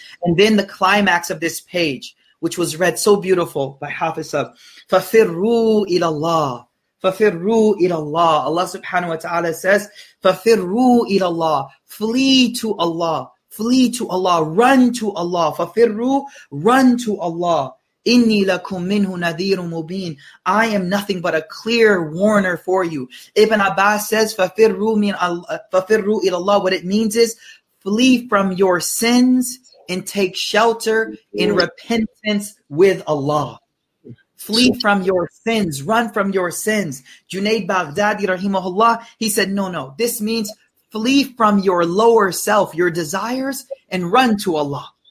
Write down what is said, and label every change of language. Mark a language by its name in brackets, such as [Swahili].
[English] And then the climax of this page, which was read so beautiful by Hafiz of, [Arabic] فَفِرُّوا إِلَى اللَّهِ فَفِرُّوا إِلَى اللَّهِ. [English] Allah subhanahu wa ta'ala says, [Arabic] فَفِرُّوا إِلَى اللَّهِ, [English] flee to Allah, flee to Allah, run to Allah, فَفِرُّوا, run to Allah. [Arabic] إِنِّي لَكُمْ مِنْهُ نَذِيرٌ مُبِينٌ. [English] I am nothing but a clear warner for you. Ibn Abbas says, [Arabic] فَفِرُّوا إِلَى اللَّهِ. [English] What it means is, flee from your sins and take shelter in repentance with Allah. Flee from your sins. Run from your sins. Junaid Baghdadi, rahimahullah, he said, no. This means flee from your lower self, your desires, and run to Allah.